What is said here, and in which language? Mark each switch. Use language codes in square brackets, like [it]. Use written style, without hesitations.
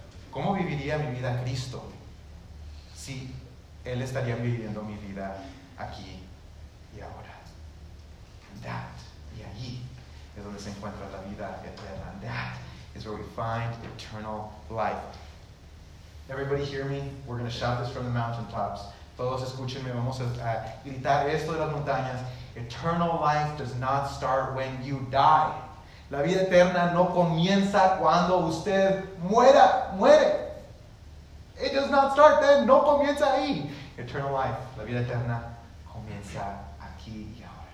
[es] ¿Cómo viviría mi vida Cristo si él estaría viviendo mi vida aquí y ahora? [en] And that, [es] y allí, es donde se encuentra la vida eterna. [en] And that is where we find eternal life. Everybody hear me? We're going to shout this from the mountaintops. [es] Todos escúchenme, vamos a gritar esto de las montañas. [en] Eternal life does not start when you die. [es] La vida eterna no comienza cuando usted muere. [en] It does not start then. [es] No comienza ahí. [en] Eternal life, [es] la vida eterna, comienza aquí y ahora.